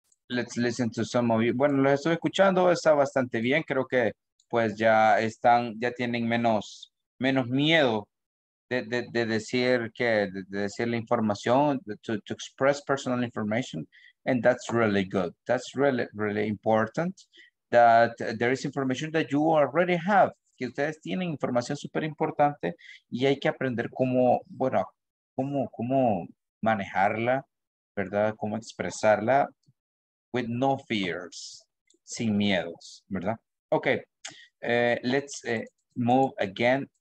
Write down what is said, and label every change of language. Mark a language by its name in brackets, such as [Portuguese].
[English] Let's listen to some of you. [Spanish] Bueno, los estoy escuchando, está bastante bien. Creo que pues ya están, ya tienen menos miedo de decir que, de decir la información, [English] to express personal information. And that's really good. That's really, really important that there is information that you already have. [Spanish] Que ustedes tienen información súper importante y hay que aprender cómo, bueno, cómo manejarla, ¿verdad? Cómo expresarla [English] with no fears, [Spanish] sin miedos, ¿verdad? [English] Ok, let's move again.